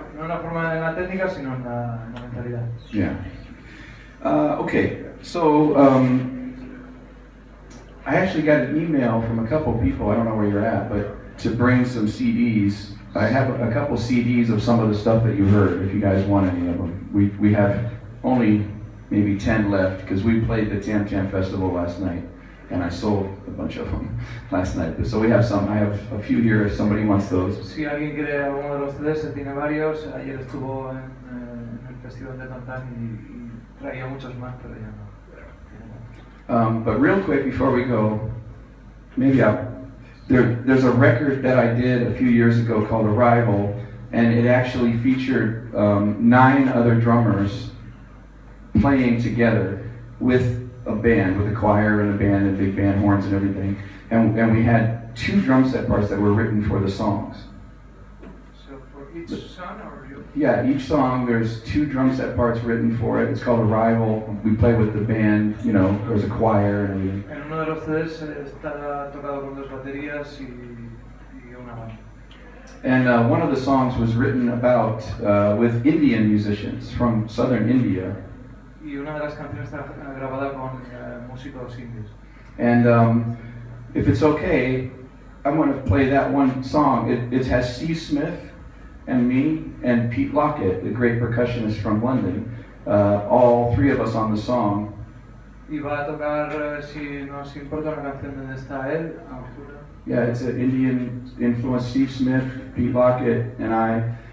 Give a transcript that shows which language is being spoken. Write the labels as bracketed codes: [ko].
[es] No, no, forma en la técnica, sino en la mentalidad. [en] Yeah. Okay. So I actually got an email from a couple of people. I don't know where you're at, but to bring some CDs. I have a couple CDs of some of the stuff that you heard, if you guys want any of them. We have only maybe 10 left, because we played the Tam Tam Festival last night, and I sold a bunch of them last night. So we have some. I have a few here if somebody wants those. [es] Si alguien quiere alguno de ustedes, tiene varios. Ayer estuvo en el festival de Tam Tam y traía muchos más, pero ya no. [en] But real quick before we go, maybe there's a record that I did a few years ago called Arrival, and it actually featured 9 other drummers playing together with a band, with a choir and a band and big band horns and everything. And we had 2 drum set parts that were written for the songs. So for each song or you? Yeah, each song there's 2 drum set parts written for it. It's called Arrival. We play with the band, you know, there's a choir and everything. [es] En uno de los CDs está tocado con 2 baterías y una banda. [en] And one of the songs was written about with Indian musicians from southern India. [es] Y una de las canciones está grabada con músicos indios. [en] And if it's okay, I want to play that one song. It has Steve Smith and me and Pete Lockett, the great percussionist from London, all 3 of us on the song. [es] Y va a tocar, si nos importa, la canción donde está él. [en] Yeah, it's an Indian influence, Steve Smith, Pete Lockett, and I.